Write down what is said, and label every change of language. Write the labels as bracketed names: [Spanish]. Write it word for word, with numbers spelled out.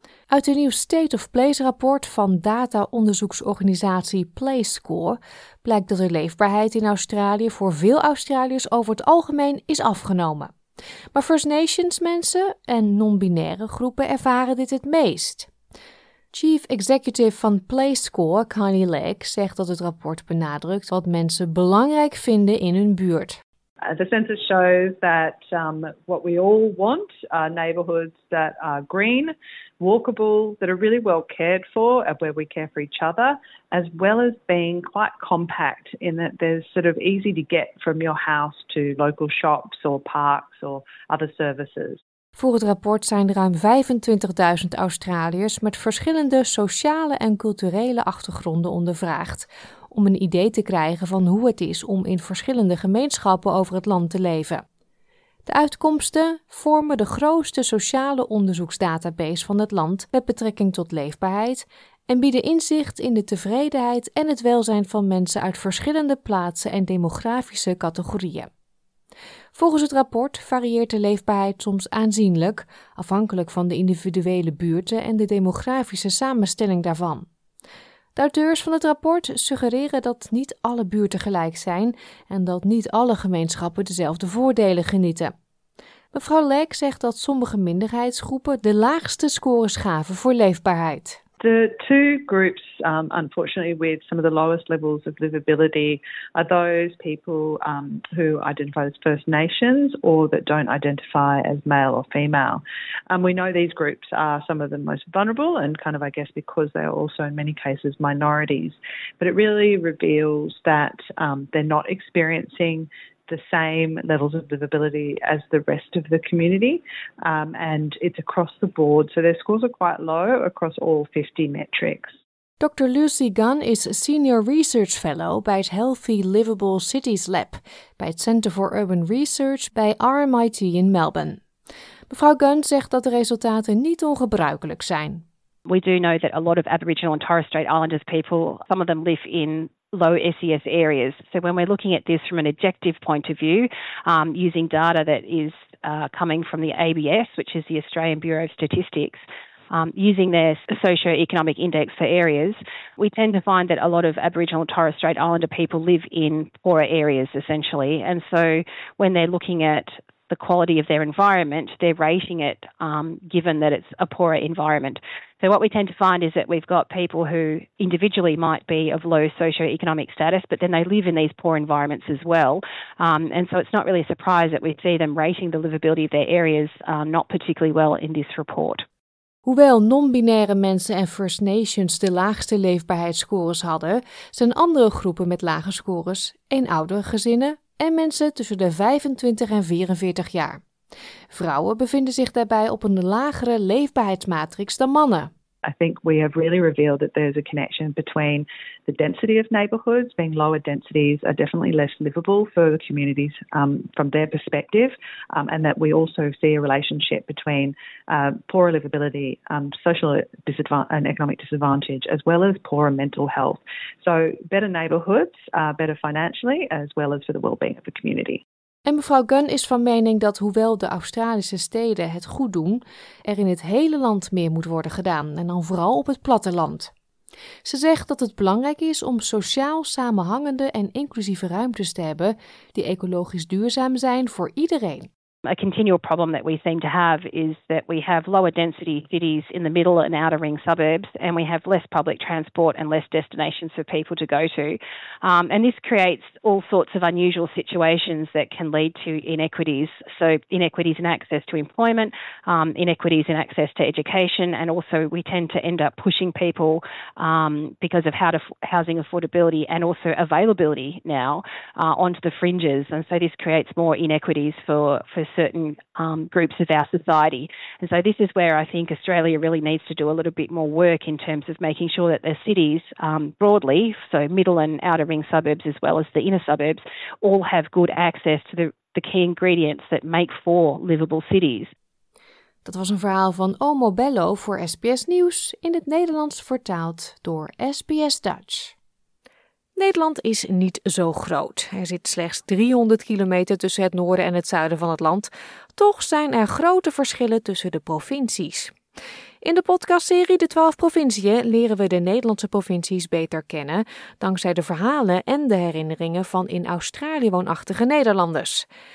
[Dutch] Uit een nieuw State of Place rapport van data-onderzoeksorganisatie PlaceScore blijkt dat de leefbaarheid in Australië voor veel Australiërs over het algemeen is afgenomen. Maar First Nations mensen en non-binaire groepen ervaren dit het meest. Chief Executive van PlaceScore, Kylie Legg, zegt dat het rapport benadrukt wat mensen belangrijk vinden in hun buurt. [English] Uh, the census shows that um, what we all want are neighbourhoods that are green, walkable, that are really well cared for and where we care for each other, as well as being quite compact in that they're sort of easy to get from your house to local shops or parks or other services. [Dutch] Voor het rapport zijn ruim vijfentwintigduizend Australiërs met verschillende sociale en culturele achtergronden ondervraagd, om een idee te krijgen van hoe het is om in verschillende gemeenschappen over het land te leven. De uitkomsten vormen de grootste sociale onderzoeksdatabase van het land met betrekking tot leefbaarheid en bieden inzicht in de tevredenheid en het welzijn van mensen uit verschillende plaatsen en demografische categorieën. Volgens het rapport varieert de leefbaarheid soms aanzienlijk, afhankelijk van de individuele buurten en de demografische samenstelling daarvan. De auteurs van het rapport suggereren dat niet alle buurten gelijk zijn en dat niet alle gemeenschappen dezelfde voordelen genieten. Mevrouw Leek zegt dat sommige minderheidsgroepen de laagste scores gaven voor leefbaarheid. [English] The two groups, um, unfortunately, with some of the lowest levels of livability are those people um, who identify as First Nations or that don't identify as male or female. Um, we know these groups are some of the most vulnerable and kind of, I guess, because they are also in many cases minorities. But it really reveals that um, they're not experiencing the same levels of livability as the rest of the community, um, and it's across the board, so their scores are quite low across all fifty metrics. [Dutch] Doctor Lucy Gunn is Senior Research Fellow bij het Healthy Livable Cities Lab, bij het Center for Urban Research bij R M I T in Melbourne. Mevrouw Gunn zegt dat de resultaten niet ongebruikelijk zijn. [English] We do know that a lot of Aboriginal and Torres Strait Islanders people, some of them live in low S E S areas. So when we're looking at this from an objective point of view, um, using data that is uh, coming from the A B S, which is the Australian Bureau of Statistics, um, using their socio-economic index for areas, we tend to find that a lot of Aboriginal and Torres Strait Islander people live in poorer areas, essentially. And so when they're looking at the quality of their environment, they're rating it um, given that it's a poorer environment. So what we tend to find is that we've got people who individually might be of low socioeconomic status, but then they live in these poor environments as well. Um, and so it's not really a surprise that we see them rating the livability of their areas uh, not particularly well in this report. [Dutch] Hoewel non-binaire mensen en First Nations de laagste leefbaarheidsscores hadden, zijn andere groepen met lage scores eenoudere gezinnen en mensen tussen de vijfentwintig en vierenveertig jaar. Vrouwen bevinden zich daarbij op een lagere leefbaarheidsmatrix dan mannen. [English] I think we have really revealed that there's a connection between the density of neighbourhoods. Being lower densities are definitely less livable for the communities um, from their perspective, um, and that we also see a relationship between uh, poorer livability, um, social disadva- and economic disadvantage, as well as poorer mental health. So better neighbourhoods are better financially, as well as for the well-being of the community. [Dutch] En mevrouw Gunn is van mening dat hoewel de Australische steden het goed doen, er in het hele land meer moet worden gedaan en dan vooral op het platteland. Ze zegt dat het belangrijk is om sociaal samenhangende en inclusieve ruimtes te hebben die ecologisch duurzaam zijn voor iedereen. [English] A continual problem that we seem to have is that we have lower density cities in the middle and outer ring suburbs, and we have less public transport and less destinations for people to go to. Um, and this creates all sorts of unusual situations that can lead to inequities. So inequities in access to employment, um, inequities in access to education, and also we tend to end up pushing people um, because of how to f- housing affordability and also availability now uh, onto the fringes. And so this creates more inequities for, for certain um, groups of our society. And so this is where I think Australia really needs to do a little bit more work in terms of making sure that the cities um, broadly, so middle and outer ring suburbs as well as the inner suburbs, all have good access to the, the key ingredients that make for livable cities. [Dutch] Dat was een verhaal van Omo Bello voor S B S Nieuws, in het Nederlands vertaald door S B S Dutch. Nederland is niet zo groot. Er zit slechts driehonderd kilometer tussen het noorden en het zuiden van het land. Toch zijn er grote verschillen tussen de provincies. In de podcastserie De twaalf Provinciën leren we de Nederlandse provincies beter kennen, dankzij de verhalen en de herinneringen van in Australië woonachtige Nederlanders.